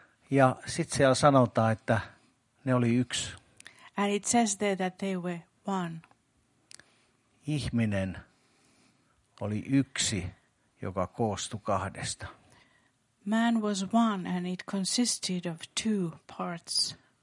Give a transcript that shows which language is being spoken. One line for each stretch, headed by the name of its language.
Finnish: Ja sitten siellä sanotaan, että ne oli yksi.
English: And it says there that they were one.
Finnish: Ihminen oli yksi, joka koostui kahdesta.
English: Man was one and it consisted of two parts.